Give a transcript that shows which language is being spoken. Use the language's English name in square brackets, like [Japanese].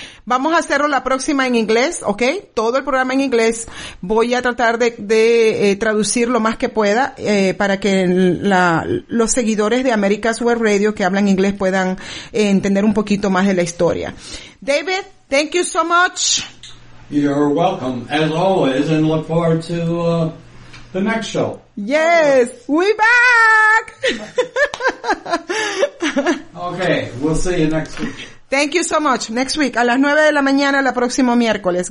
[Spanish] Vamos a hacerlo la próxima en inglés, ¿ok? Todo el programa en inglés. Voy a tratar de traducir lo más que pueda para que los seguidores de America's Web Radio que hablan inglés puedan entender un poquito más de la historia. [English] David, thank you so much. You're welcome, as always, and look forward to the next show. Yes, we back! Okay, we'll see you next week. Thank you so much. Next week, [Spanish] a las 9 de la mañana, el próximo miércoles.